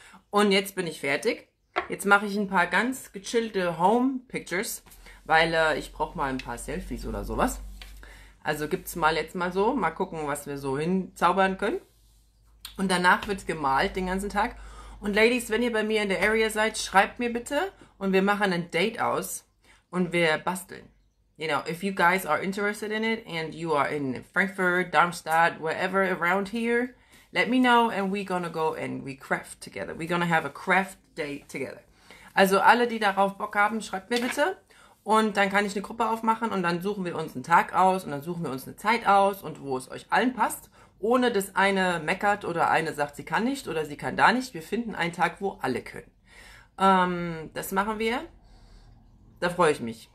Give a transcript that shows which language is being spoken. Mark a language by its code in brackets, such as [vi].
[de] Und jetzt bin ich fertig. Jetzt mache ich ein paar ganz gechillte Home Pictures, weil ich brauche mal ein paar Selfies oder sowas. Also gibt es mal jetzt mal so. Mal gucken, was wir so hinzaubern können. Und danach wird es gemalt den ganzen Tag. Und Ladies, wenn ihr bei mir in der Area seid, schreibt mir bitte. Und wir machen ein Date aus und wir basteln. [en] You know, if you guys are interested in it and you are in Frankfurt, Darmstadt, wherever around here, let me know and we're gonna go and we craft together. We're gonna have a craft day together. [de] Also alle, die darauf Bock haben, schreibt mir bitte. Und dann kann ich eine Gruppe aufmachen und dann suchen wir uns einen Tag aus und dann suchen wir uns eine Zeit aus und wo es euch allen passt. Ohne dass eine meckert oder eine sagt, sie kann nicht oder sie kann da nicht. Wir finden einen Tag, wo alle können. Das machen wir. Da freue ich mich.